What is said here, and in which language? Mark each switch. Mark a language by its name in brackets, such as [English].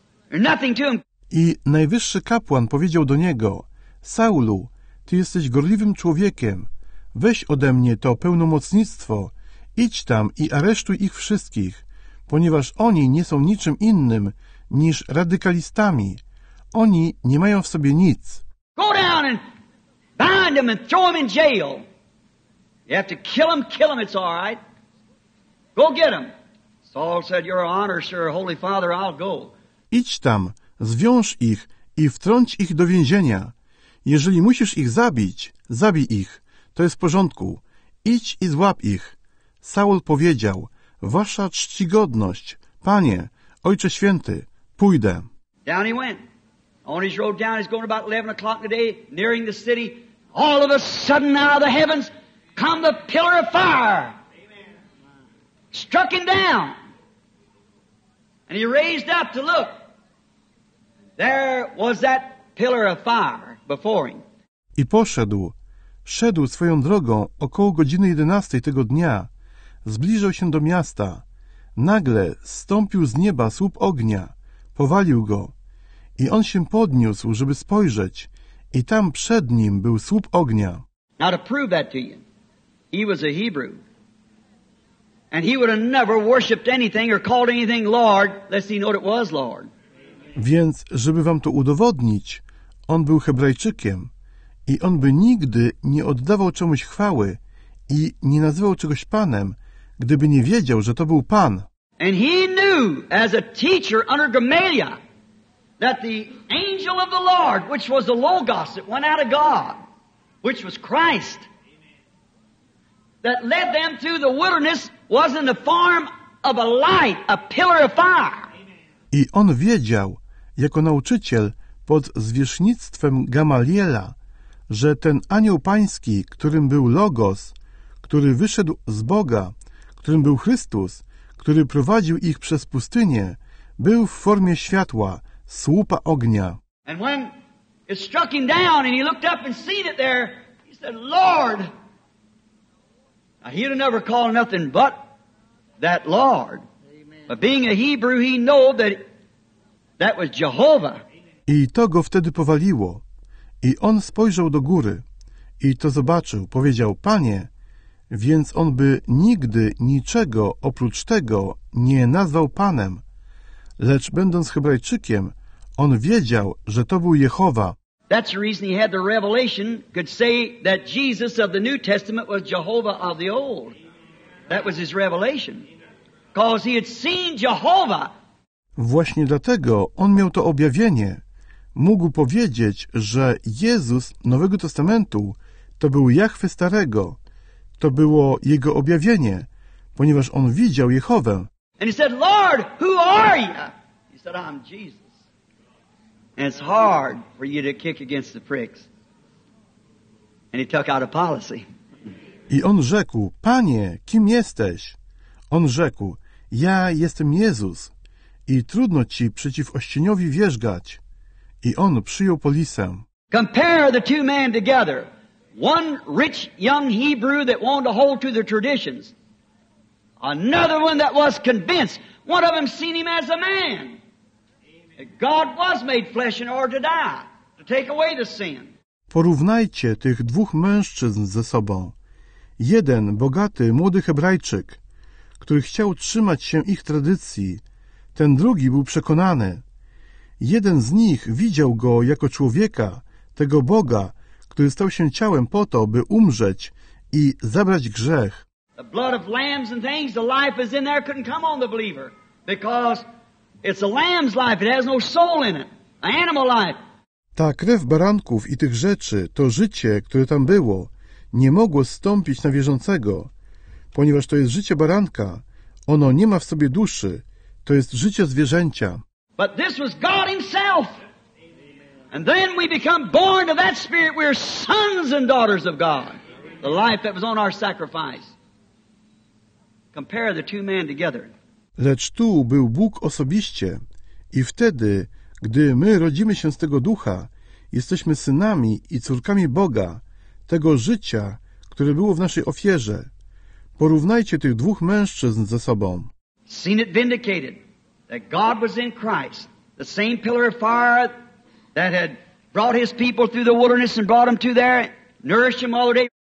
[English] They're nothing to them. [Polish] I najwyższy kapłan powiedział do niego, Saulu, ty jesteś gorliwym człowiekiem. Weź ode mnie to pełnomocnictwo. Idź tam i aresztuj ich wszystkich, ponieważ oni nie są niczym innym niż radykalistami. Oni nie mają w sobie nic. [English] Go down and bind them and throw them in jail. You have to kill them, it's all right. Go get them. Saul said, your honor, sir, holy father, I'll go. [Polish] Idź tam. Zwiąż ich i wtrąć ich do więzienia. Jeżeli musisz ich zabić, zabij ich. To jest w porządku. Idź i złap ich. Saul powiedział, wasza czcigodność, panie, ojcze święty, pójdę. [English] Down he went. On his road down, he's going about 11 o'clock in the day, nearing the city. All of a sudden out of the heavens come the pillar of fire. Struck him down. And he raised up to look. There was that pillar of fire before him. [Polish] I poszedł. Szedł swoją drogą około godziny 11 tego dnia. Zbliżał się do miasta. Nagle zstąpił z nieba słup ognia. Powalił go. I on się podniósł, żeby spojrzeć. I tam przed nim był słup ognia. [English] Now to prove that to you, he was a Hebrew. And he would have never worshipped anything or called anything Lord, lest he know it was Lord. [Polish] Więc, żeby wam to udowodnić, on był Hebrajczykiem i on by nigdy nie oddawał czemuś chwały i nie nazywał czegoś Panem, gdyby nie wiedział, że to był Pan. [English] And he knew, as a teacher under Gamaliel, that the angel of the Lord, which was the Logos that went out of God, which was Christ, that led them through the wilderness, was in the form of a light, a pillar of fire. [Polish] I on wiedział, jako nauczyciel pod zwierzchnictwem Gamaliela, że ten anioł pański, którym był Logos, który wyszedł z Boga, którym był Chrystus, który prowadził ich przez pustynię, był w formie światła, słupa ognia. [English] And when it struck him down and he looked up and seen it there, he said, Lord, now he'd have never called nothing but that Lord. But being a Hebrew, he knew that was Jehovah. [Polish] I to go wtedy powaliło. I on spojrzał do góry. I to zobaczył. Powiedział, Panie, więc on by nigdy niczego oprócz tego nie nazwał Panem. Lecz będąc Hebrajczykiem, on wiedział, że to był Jehowa. [English] That's the reason he had the revelation, could say that Jesus of the New Testament was Jehovah of the Old. That was his revelation. Because he had seen Jehovah. [Polish] Właśnie dlatego on miał to objawienie. Mógł powiedzieć, że Jezus Nowego Testamentu to był Jahwe Starego. To było jego objawienie, ponieważ on widział Jehowę. [English] And he said, Lord, who are you? He said, I'm Jesus. And it's hard for you to kick against the pricks. And he took out a policy. [Polish] I on rzekł, Panie, kim jesteś? On rzekł, ja jestem Jezus. I trudno ci przeciw ościeniowi wierzgać. I on przyjął polisę. [English] Compare the two men together. One rich young Hebrew that wanted to hold to the traditions. Another one that was convinced. One of them seen him as a man. God was made flesh in order to die, to take away the sin. [Polish] Porównajcie tych dwóch mężczyzn ze sobą. Jeden, bogaty, młody Hebrajczyk, który chciał trzymać się ich tradycji. Ten drugi był przekonany. Jeden z nich widział go jako człowieka, tego Boga, który stał się ciałem po to, by umrzeć i zabrać grzech. [English] The blood of lambs and things, the life is in there, couldn't come on the believer, because... It's a lamb's life. It has no soul in it. Animal life. [Polish] Ta krew baranków i tych rzeczy, to życie, które tam było, nie mogło zstąpić na wierzącego, ponieważ to jest życie baranka. Ono nie ma w sobie duszy. To jest życie zwierzęcia. [English] But this was God himself. And then we become born of that spirit. We're sons and daughters of God. The life that was on our sacrifice. Compare the two men together. [Polish] Lecz tu był Bóg osobiście i wtedy, gdy my rodzimy się z tego ducha, jesteśmy synami i córkami Boga, tego życia, które było w naszej ofierze. Porównajcie tych dwóch mężczyzn ze sobą. [English] Seen it vindicated that God was in Christ, the same pillar of fire that had brought his people through the wilderness and brought them to there, nourished them all day.